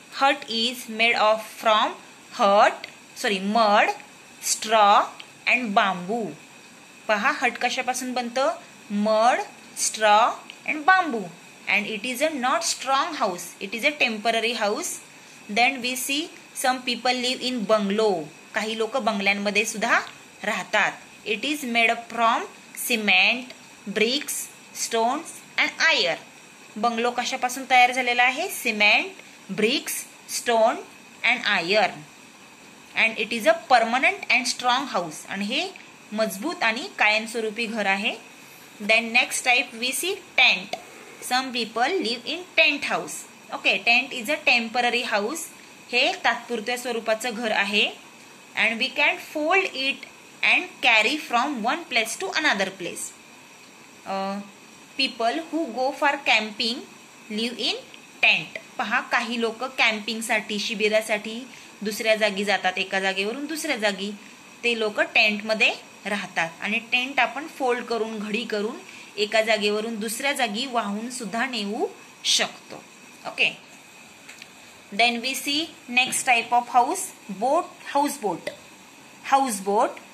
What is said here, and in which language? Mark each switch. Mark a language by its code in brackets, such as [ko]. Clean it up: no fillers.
[en] Hut is made of from hut sorry mud straw and bamboo. [mr] पहा हट कशापासून बनतं, [en] Mud straw and bamboo. And it is a not strong house, it is a temporary house. Then we see some people live in bungalow. [mr] काही लोक बंगल्यांमध्ये सुद्धा राहतात. [en] It is made up from cement bricks stones and iron. [mr] Bungalow कशापासून तयार झालेला आहे, [en] Cement bricks stone and iron. And it is a permanent and strong house. [mr] आणि हे मजबूत आणि कायमस्वरूपी घर आहे. [en] Then next type we see tent. Some people live in tent house. Okay, tent is a temporary house. [mr] हे तात्पुरत्या स्वरूपाचं घर आहे. [en] And we can fold it and carry from one place to another place. People who go for camping live in tent. [mr] पहा काही लोक कॅम्पिंगसाठी शिबिरासाठी दुसऱ्या जागी जातात, एका जागेवरून दुसऱ्या जागी. ते लोक टेंटमध्ये राहतात. आणि टेंट आपण फोल्ड करून घडी करून एका जागेवरून दुसऱ्या जागी वाहून सुद्धा नेऊ शकतो. [en] Okay, then we see next type of house, boat. House boat. House boat.